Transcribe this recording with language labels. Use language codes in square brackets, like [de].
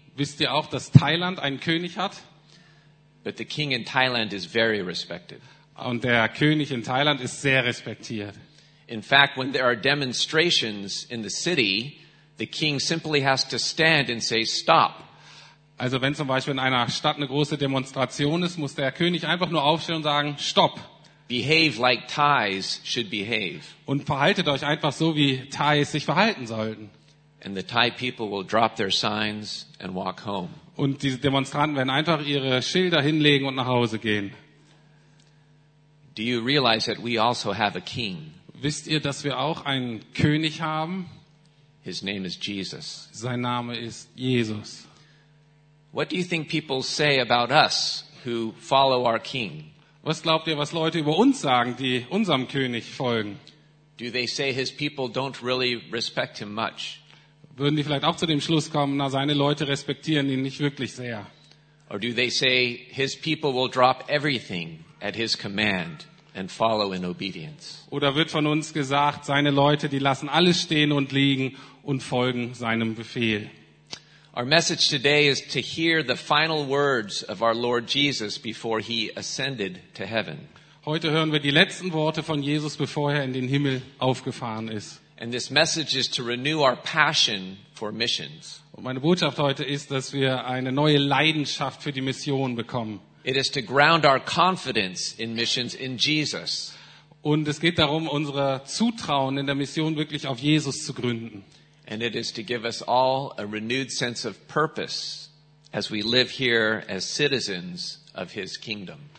[de] Wisst ihr auch, dass Thailand einen König hat? [en] But the king in Thailand is very respected. [de] Und der König in Thailand ist sehr respektiert. [en] In fact, when there are demonstrations in the city, the king simply has to stand and say stop. [de] Also wenn zum Beispiel in einer Stadt eine große Demonstration ist, muss der König einfach nur aufstehen und sagen stopp. [en] Behave like Thais should behave. [de] Und verhaltet euch einfach so, wie Thais sich verhalten sollten. [en] And the Thai people will drop their signs and walk home. [de] Und diese Demonstranten werden einfach ihre Schilder hinlegen und nach Hause gehen. [en] Do you realize that we also have a king? [de] Wisst ihr, dass wir auch einen König haben? [en] His name is Jesus. [de] Sein Name ist Jesus. [en] What do you think people say about us who follow our king? [de] Was glaubt ihr, was Leute über uns sagen, die unserem König folgen? [en] Do they say his people don't really respect him much? [de] Würden die vielleicht auch zu dem Schluss kommen, na, seine Leute respektieren ihn nicht wirklich sehr? [en] Or do they say his people will drop everything at his command and follow in obedience? [de] Oder wird von uns gesagt, seine Leute, die lassen alles stehen und liegen und folgen seinem Befehl? [en] Our message today is to hear the final words of our Lord Jesus before he ascended to heaven. [de] Heute hören wir die letzten Worte von Jesus, bevor er in den Himmel aufgefahren ist. [en] And this message is to renew our passion for missions. [de] Und meine Botschaft heute ist, dass wir eine neue Leidenschaft für die Mission bekommen. [en] It is to ground our confidence in missions in Jesus. [de] Und es geht darum, unser Zutrauen in der Mission wirklich auf Jesus zu gründen. [en] And it is to give us all a renewed sense of purpose as we live here as citizens of his kingdom.